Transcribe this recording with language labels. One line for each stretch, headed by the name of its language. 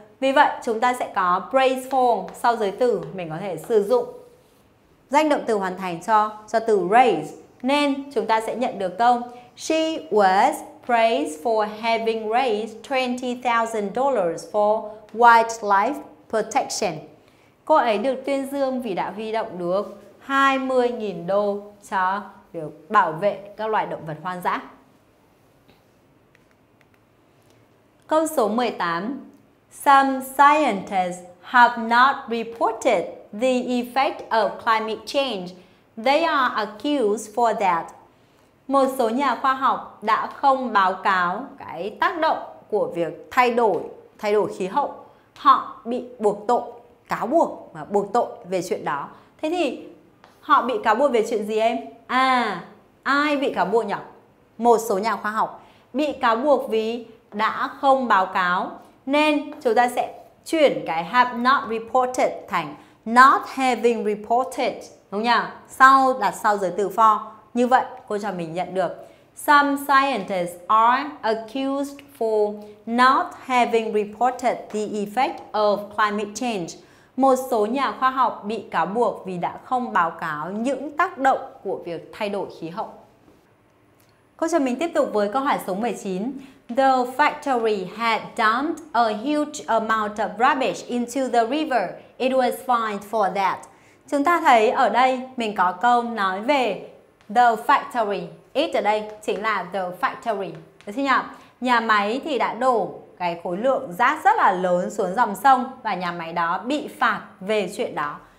Vietnamese: Vì vậy chúng ta sẽ có
English: praise for
Vietnamese: sau giới từ, mình có thể sử dụng danh động từ hoàn thành cho từ raise, nên chúng ta sẽ nhận được câu
English: she was praised for having raised $20,000 for wildlife protection.
Vietnamese: Cô ấy được tuyên dương vì đã huy động được 20.000 đô cho việc bảo vệ các loài động vật hoang dã. Câu số 18.
English: Some scientists have not reported the effect of climate change. They are accused for that.
Vietnamese: Một số nhà khoa học đã không báo cáo cái tác động của việc thay đổi khí hậu. Họ bị buộc tội. cáo buộc mà buộc tội về chuyện đó. Thế thì họ bị cáo buộc về chuyện gì em? À, ai bị cáo buộc nhỉ? Một số nhà khoa học bị cáo buộc vì đã không báo cáo, nên chúng ta sẽ chuyển cái
English: have not reported
Vietnamese: thành
English: not having reported,
Vietnamese: đúng nhỉ? Sau đặt sau giới từ for. Như vậy cô cho mình nhận được:
English: some scientists are accused for not having reported the effect of climate change.
Vietnamese: Một số nhà khoa học bị cáo buộc vì đã không báo cáo những tác động của việc thay đổi khí hậu. Cô cho mình tiếp tục với câu hỏi số 19.
English: The factory had dumped a huge amount of rubbish into the river. It was fined for that.
Vietnamese: Chúng ta thấy ở đây mình có câu nói về
English: the factory.
Vietnamese: It ở đây chính là
English: the factory.
Vietnamese: Được chưa nhỉ? Nhà máy thì đã đổ cái khối lượng rác rất là lớn xuống dòng sông và nhà máy đó bị phạt về chuyện đó.